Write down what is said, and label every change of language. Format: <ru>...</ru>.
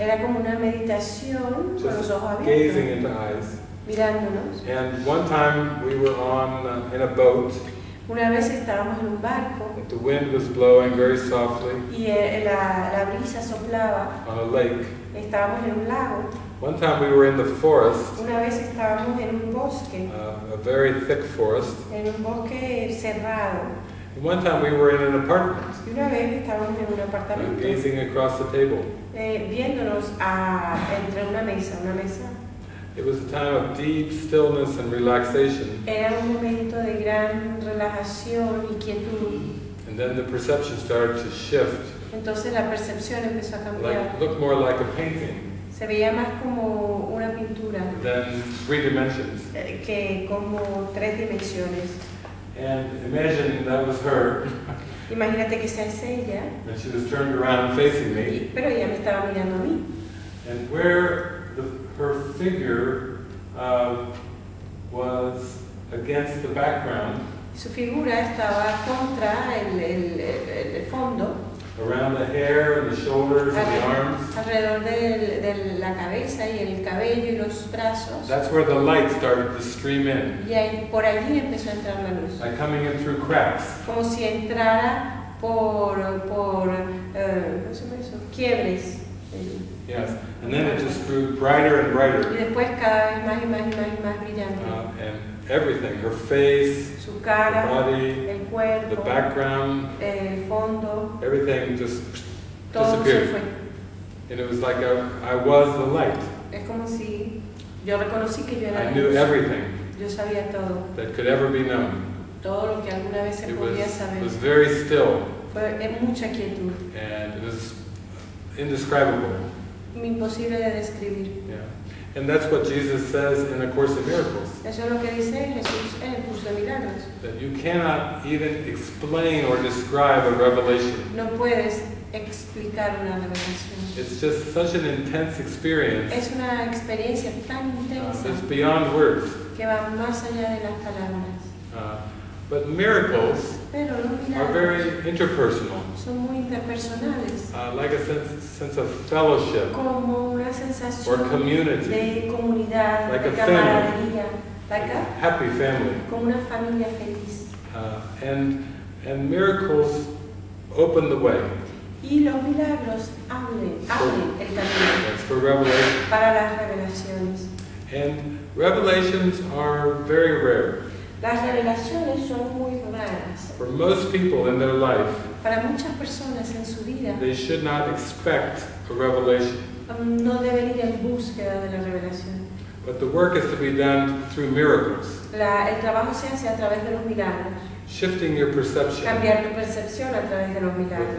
<es>Era como una meditación con los ojos abiertos.</es> <en>Gazing into eyes.</en> <es>Mirándonos.</es> <en>And one time we were on in a boat.</en> <es>Una vez estábamos en un barco.</es> <en>And the wind was blowing very softly.</en> <es>Y la brisa soplaba.</es> <en>On a lake.</en> <es>Estábamos en un lago.</es> <en>One time we were in the forest.</en> <es>Una vez estábamos en un bosque.</es> <en>A very thick forest.</en> <es>En un bosque cerrado.</es> <en>One time we were in an apartment.</en> <es>Una vez estábamos en un apartamento.</es> <en>Gazing across the table.</en> <es>Viéndonos entre una mesa.</es> <en>It was a time of deep stillness and relaxation.</en> <es>Era un momento de gran relajación y quietud.</es> <en>And then the perception started to shift.</en> <es>Entonces la percepción empezó a cambiar.</es> <en>Looked more like a painting.</en> <es>Se veía más como una pintura.</es> <en>Than three dimensions.</en> <es>Que como tres dimensiones.</es> <en>And imagine that was her.</en> <es>Imagínate que esa es ella.</es> <en>And she was turned around facing me.</en> <es>Pero ella me estaba mirando a mí.</es> <en>And where her figure was against the background.</en> <es>Su figura estaba contra el fondo.</es> <en>Around the hair and the shoulders and the arms.</en> <es>Alrededor de la cabeza y el cabello y los brazos.</es> <en>That's where the light started to stream in.</en> <es>Y ahí, por allí empezó a entrar la luz.</es> <en>Like coming in through cracks.</en> <es>Como si entrara por ¿cómo se llama eso? Quiebres.</es> <en>Yes, and then it just grew brighter and brighter.</en> <es>Y después cada vez más y más y más y más brillante.</es> <en>And everything, her face,</en> <es>su cara,</es> <en>her body,</en> <es>el cuerpo,</es> <en>the background,</en> <es>el fondo,</es> <en>everything just</en> <es>todo</es> <en>disappeared.</en> <es>Se fue.</es> <en>And it was like I was the light.</en> <es>Es como si yo reconocí que yo era</es> <en>I knew</en> <es>eso.</es> <en>Everything</en> <es>yo sabía todo.</es> <en>That could ever be known.</en> <es>Todo lo que alguna vez se</es> <en>it</en> <es>podía</es> <en>was,</en> <es>saber.</es> <en>Was very still.</en> <es>Fue en mucha quietud.</es> <en>And it was indescribable.</en> <es>Imposible de describir.</es> <en>Yeah. And that's what Jesus says in A Course of Miracles.</en> <es>Eso es lo que dice Jesús en el curso de milagros.</es> <en>That you cannot even explain or describe a revelation.</en> <es>No puedes explicar una revelación.</es> <en>It's just such an intense experience.</en> <es>Es una experiencia tan intensa.</es> <en>It's beyond words.</en> <es>Que va más allá de las palabras.</es> <en>But miracles</en> <es>pero</es> <en>are very interpersonal.</en> <es>Son muy interpersonales.</es> <en>Like a sense of fellowship.</en> <es>Como una sensación</es> <en>or community.</en> <es>De comunidad,</es> <en>like</en> <es>de</es> <en>a family. Like a happy family.</en> <es>Como una familia feliz.</es> <en>And miracles open the way.</en> <es>Y los milagros abren el camino</es> <en>for revelation.</en> <es>Para las revelaciones.</es> <en>And revelations are very rare.</en> <es>Las revelaciones son muy raras.</es> <en>For most people in their life,</en> <es>para muchas personas en su vida,</es> <en>they should not expect a revelation.</en> <es>No deberían búsqueda de la revelación.</es> <en>But the work is to be done through miracles.</en> <es>El trabajo se hace a través de los milagros.</es> <en>Shifting your perception.</en> <es>Cambiar tu percepción a través de los milagros.</es>